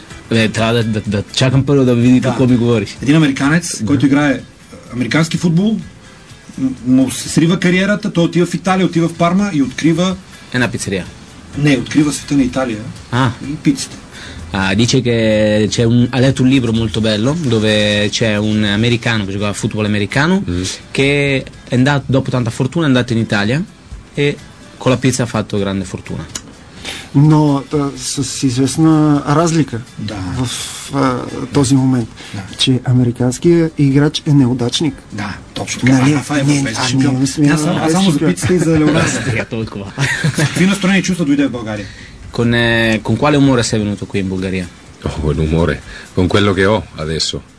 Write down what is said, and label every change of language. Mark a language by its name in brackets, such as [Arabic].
[Bulgarian] Трябва да чакам първо да види какво ми говориш. Един американец, който играе американски футбол, му се срива кариерата, той отива в Италия, отива в Парма и открива... Една пицария. Не, открива света на Италия и пиците. [Italian] Dice che c'è un, ha letto un libro molto bello dove c'è un americano che giocava a football americano che è andato, dopo tanta fortuna è andato in Italia e con la pizza ha fatto grande fortuna. [Bulgarian] Но с известна разлика в този момент, че американският играч е неудачник. Да, точно. Не, само за пицата и за Леонардо. Какви настроени чувства дойде в България? [Italian] Con quale umore sei venuto qui in Bulgaria? Con umore, con quello che ho adesso.